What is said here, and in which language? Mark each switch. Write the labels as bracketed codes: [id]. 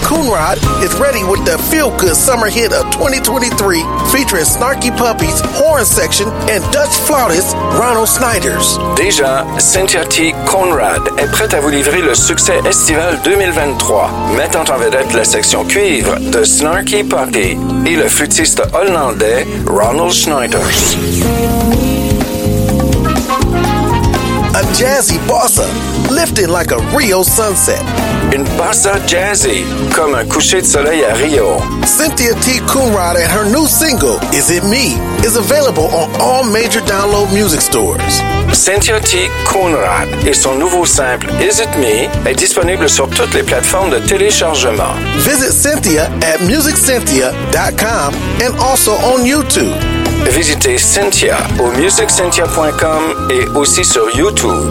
[en] Coonrod is ready with the feel-good summer hit of 2023 featuring Snarky Puppies, Horn Section, and Dutch flautist Ronald Snyders. [fr] Déjà, Cynthia T. Coonrod est prête à vous livrer le succès estival 2023, mettant en vedette la section cuivre de Snarky Puppy et le flûtiste hollandais Ronald Snyders. [en] A jazzy bossa, lifting like a Rio sunset. [fr] Une bossa jazzy, comme un coucher de soleil à Rio. [en] Cynthia T. Coonrod and her new single, Is It Me?, is available on all major download music stores. Cynthia T. [fr] Coonrod et son nouveau simple, Is It Me?, est disponible sur toutes les plateformes de téléchargement. [en] Visit Cynthia at musiccynthia.com and also on YouTube. [fr] Visitez Cynthia au musiccynthia.com et aussi sur YouTube.